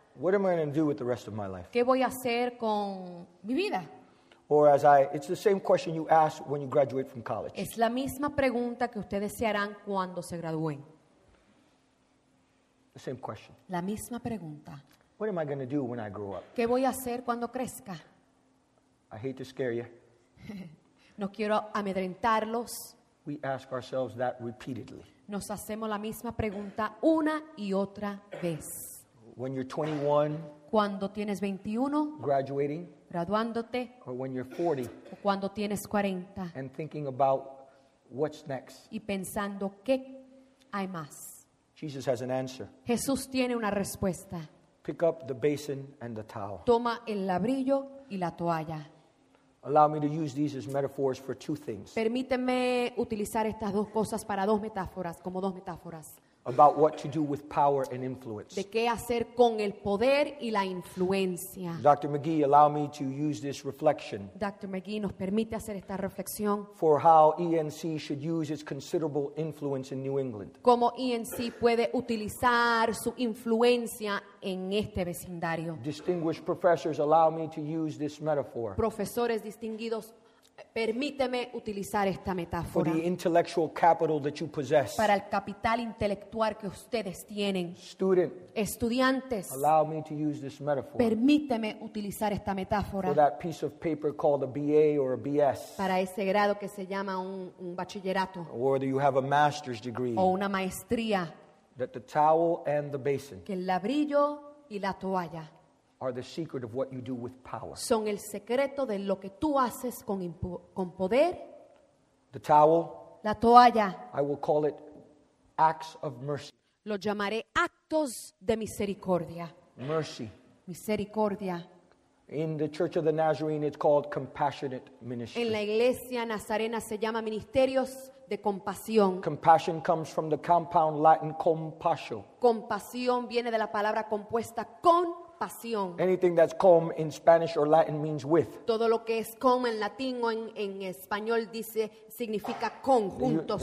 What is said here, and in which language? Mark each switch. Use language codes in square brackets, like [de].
[en] What am I going to do with the rest of my life? [es] ¿Qué voy a hacer con mi vida? [en] Or as it's the same question you ask when you graduate from college. [es] Es la misma pregunta que ustedes se harán cuando se gradúen. [en] Same question. [es] La misma pregunta. [en] What am I going to do when I grow up? [es] ¿Qué voy a hacer cuando crezca? [en] I hate to scare you. [es] No quiero amedrentarlos. [en] We ask ourselves that repeatedly. [es] Nos hacemos la misma pregunta una y otra vez. [en] When you're 21. [es] Cuando tienes 21. [en] Graduating. [es] Graduándote. [en] Or when you're 40. [es] O cuando tienes 40. [en] And thinking about what's next. [es] Y pensando qué hay más. [en] Jesus has an answer. [es] Jesús tiene una respuesta. [en] Pick up the basin and the towel. [es] Toma el labrillo y la toalla. [en] Allow me to use these as metaphors for two things. [es] Permíteme utilizar estas dos cosas para dos metáforas, como dos metáforas. [en] About what to do with power and influence. [es] De qué hacer con el poder y la influencia. [en] Dr. McGee, allow me to use this reflection. [es] Dr. McGee nos permite hacer esta reflexión. [en] For how ENC should use its considerable influence in New England. [es] Cómo ENC puede utilizar su influencia en este vecindario. [en] Distinguished professors, allow me to use this metaphor. [es] Profesores distinguidos, permíteme utilizar esta metáfora. [en] For the intellectual capital that you possess. [es] Para el capital intelectual que ustedes tienen. [en] Student. [es] Estudiantes. [en] Allow me to use this metaphor. [es] Permíteme utilizar esta metáfora. [en] For that piece of paper called a BA or a BS. [es] Para ese grado que se llama un bachillerato. [en] Or that you have a master's degree. [es] O una maestría. [en] That the towel and the basin. [es] Que el labrillo y la toalla. [en] Are the secret of what you do with power. [es] Son el secreto de lo que tú haces con poder. [en] The towel. [es] La toalla. [en] I will call it acts of mercy. [es] Lo llamaré actos de misericordia. [en] Mercy. [es] Misericordia. [en] In the Church of the Nazarene, it's called compassionate ministry. [es] En la Iglesia Nazarena se llama ministerios de compasión. [en] Compassion comes from the compound Latin compassio. [es] Compasión viene de la palabra compuesta con. Pasión. [en] Anything that's com in Spanish or Latin means with. [es] Todo lo que es com en latín o en español dice significa con, juntos.